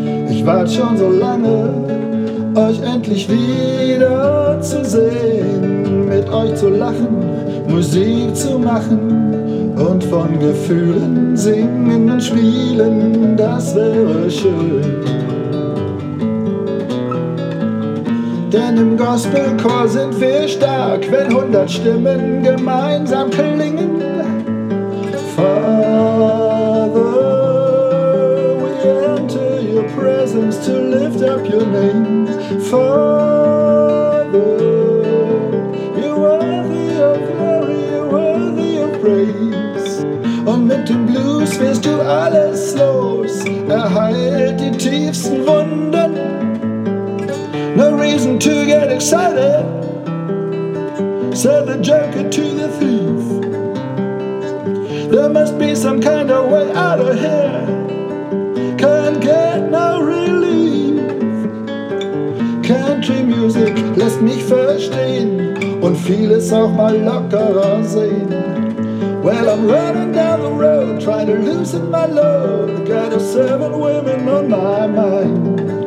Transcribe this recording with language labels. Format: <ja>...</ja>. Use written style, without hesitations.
<de>Ich wart schon so lange, euch endlich wieder zu sehen, mit euch zu lachen, Musik zu machen und von Gefühlen singen und spielen, das wäre schön. Denn im Gospelchor sind wir stark, wenn 100 Stimmen gemeinsam klingen.</de> <en>Father, we enter your presence to lift up your name. Father, you're worthy of glory, you're worthy of praise.</en> <de>Und mit dem Blues wirst du alles los, erheilt die tiefsten Wunden.</de> <en>No reason to get excited, said the joker to the thief. There must be some kind of way out of here, can't get no relief.</en> <de>Country music lässt mich verstehen und vieles auch mal lockerer sehen.</de> <en>Well, I'm running down the road, trying to loosen my load, got a 7 women on my mind.</en>